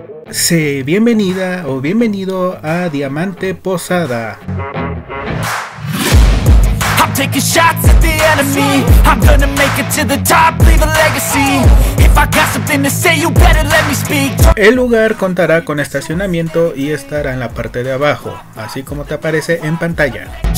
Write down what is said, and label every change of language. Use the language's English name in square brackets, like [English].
[Spanish] Sé bienvenida o bienvenido a Diamante Posada. [English] I'm taking shots at the enemy. I'm gonna make it to the top, leave a legacy. If I got something to say, you better let me speak. [Spanish] El lugar contará con estacionamiento y estará en la parte de abajo, así como te aparece en pantalla.